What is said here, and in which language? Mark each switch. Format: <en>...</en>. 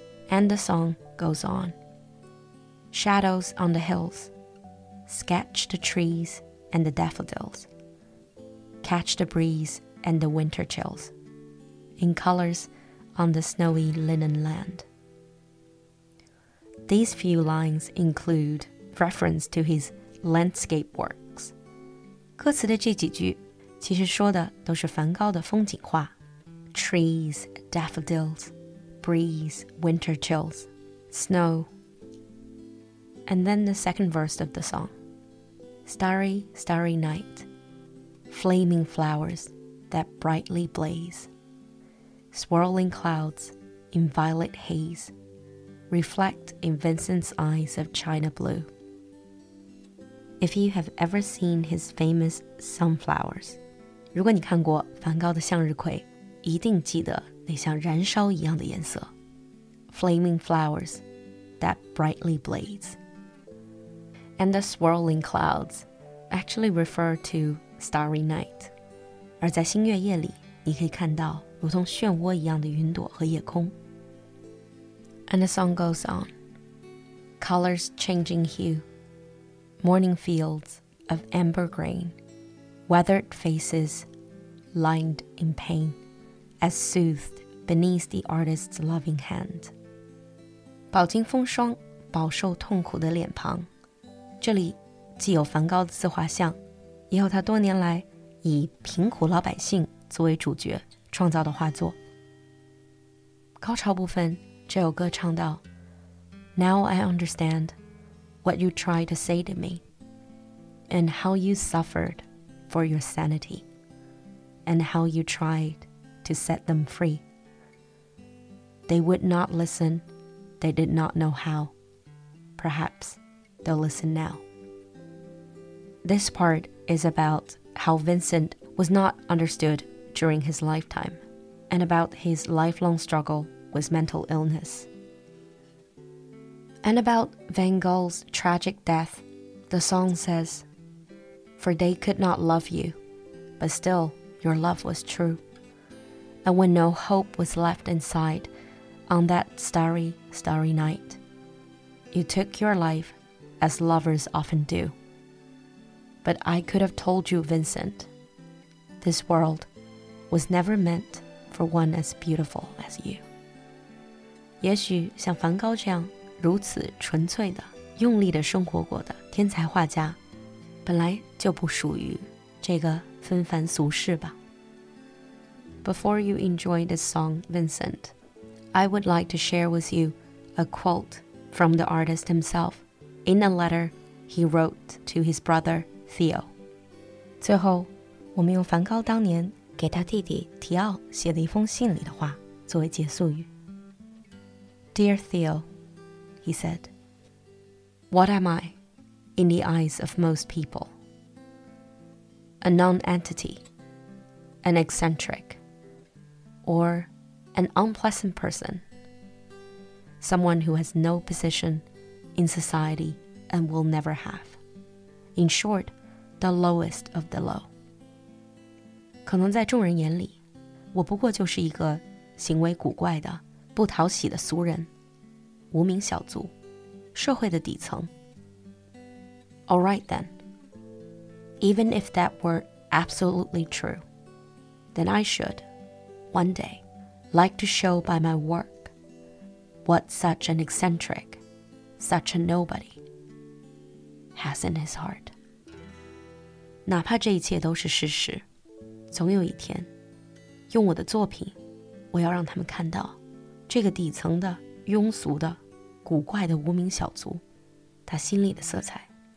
<en>And the song goes on. Shadows on the hills, sketch the trees and the daffodils, catch the breeze and the winter chills, in colors on the snowy linen land. These few lines include reference to his landscape works.</en> <zh>歌词的这几句其实说的都是梵高的风景画。</zh> <en>Trees, daffodils, breeze, winter chills, snow. And then the second verse of the song. Starry, starry night, flaming flowers that brightly blaze, swirling clouds in violet haze,Reflect in Vincent's eyes of China blue. If you have ever seen his famous sunflowers,</en> <zh>如果你看过梵高的向日葵，一定记得那像燃烧一样的颜色。</zh> <en>Flaming flowers that brightly blaze. And the swirling clouds actually refer to starry night.</en> <zh>而在星月夜里，你可以看到如同漩涡一样的云朵和夜空。</zh> <en>And the song goes on. Colors changing hue. Morning fields of amber grain. Weathered faces lined in pain. As soothed beneath the artist's loving hand.</en> <zh>饱经风霜，饱受痛苦的脸庞，这里既有梵高的自画像，也有他多年来以贫苦老百姓作为主角创造的画作。高潮部分，这首歌唱到</zh> <en>Now I understand what you tried to say to me and how you suffered for your sanity and how you tried to set them free. They would not listenThey did not know how. Perhaps they'll listen now. This part is about how Vincent was not understood during his lifetime and about his lifelong struggle with mental illness. And about Van Gogh's tragic death, the song says, For they could not love you, but still your love was true. And when no hope was left inside,On that starry, starry night, you took your life as lovers often do. But I could have told you, Vincent, this world was never meant for one as beautiful as you.</en> <zh>也许像梵高这样如此纯粹的、用力的生活过的天才画家，本来就不属于这个纷繁俗世吧。</zh> <en>Before you enjoy this song, Vincent,I would like to share with you a quote from the artist himself in a letter he wrote to his brother, Theo.</en> <zh>最后，我们用梵高当年给他弟弟提奥写的一封信里的话作为结束语。</zh> <en>Dear Theo, he said, What am I in the eyes of most people? A non-entity, an eccentric, or... An unpleasant person. Someone who has no position in society and will never have. In short, the lowest of the low.</en> <zh>可能在众人眼里，我不过就是一个行为古怪的、不讨喜的俗人，无名小卒，社会的底层。</zh> <en>All right then. Even if that were absolutely true, then I should, one day,like to show by my work what such an eccentric, such a nobody, has in his heart.</en> <zh>哪怕这一切都是事实，总有一天，用我的作品，我要让他们看到，这个底层的、庸俗的、古怪的无名小卒，他心里的色彩。</zh>